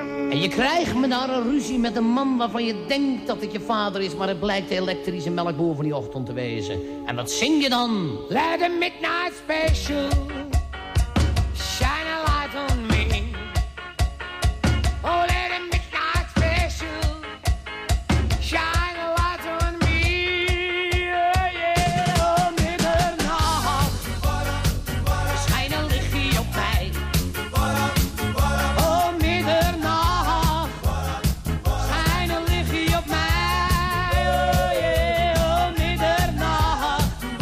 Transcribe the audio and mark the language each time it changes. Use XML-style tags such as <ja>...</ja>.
<nl>En je krijgt me daar een ruzie met een man waarvan je denkt dat het je vader is, maar het blijkt de elektrische melkboer van die ochtend te wezen. En wat zing je dan?</nl> <en>Let a midnight special shine a light on me. Oh, let a midnight special shine a light on me.</en> <nl>Oh, yeah, oh, middernacht. Schijn een lichtje op mij. Oh, middernacht. Schijn een lichtje op mij. Oh, yeah, oh, middernacht.</nl>